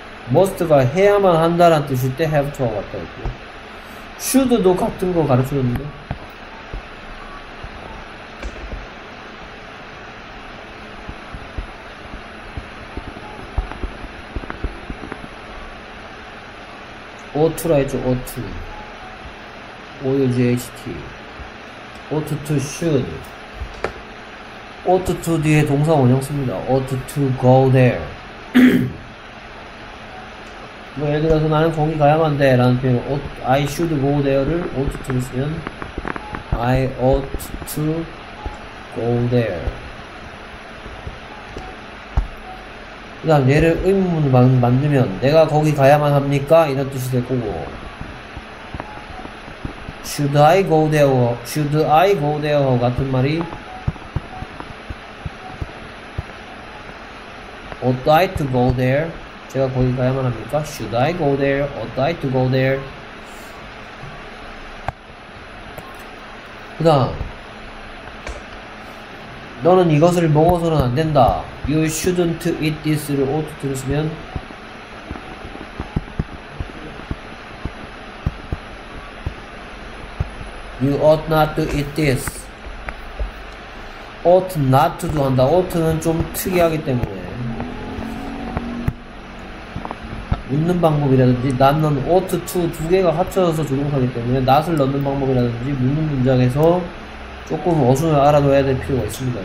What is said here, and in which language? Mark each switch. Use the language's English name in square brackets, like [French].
[Korean] must가 해야만 한다라는 뜻일 때 have to하고 같다 그랬고 should도 같은 거 가르쳐줬는데 ought라 했죠, ought. O-U-G-H-T. ought to should. [English] ought to [Korean] 뒤에 동사 원형 씁니다. [English] ought to go there. [Korean] 뭐 예를 들어서 나는 거기 가야만 돼. 라는 표현. [English] I should go there를 ought to 쓰면 I ought to go there. [Korean] 그 다음 얘를 의문문으로 만들면 내가 거기 가야만 합니까? 이런 뜻이 될 거고 [English] should I go there? should I go there? [Korean] 같은 말이 [English] Ought I to go there? [Korean] 제가 거기 가야만 합니까? [English] Should I go there? Ought I to go there? [Korean] 그 다음 너는 이것을 먹어서는 안 된다. [English] You shouldn't eat this를 ought to 쓰면 You ought not to eat this. Ought not to do [Korean] 한다. Ought는 좀 특이하기 때문에 묻는 방법이라든지 나는 ought to 두 개가 합쳐져서 조동사이기 때문에 not을 넣는 방법이라든지 묻는 문장에서 조금 어순을 알아둬야 될 필요가 있습니다.